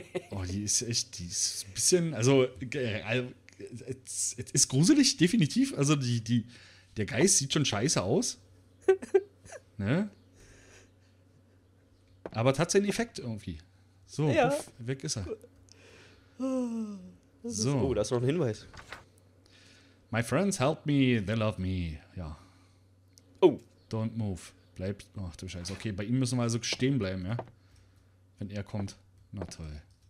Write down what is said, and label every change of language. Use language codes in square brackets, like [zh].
[de] Oh, die ist echt, die ist ein bisschen, also, es ist gruselig, definitiv. Also, der Geist sieht schon scheiße aus. Ne? Aber es hat seinen Effekt irgendwie. So, ja. Uff, weg ist er. So. Oh, das ist noch ein Hinweis. [en] My friends help me, they love me. [de] Ja. Oh. [en] Don't move. [de] Bleib. Ach du Scheiße. Okay, bei ihm müssen wir also stehen bleiben, ja? Wenn er kommt. Na toll.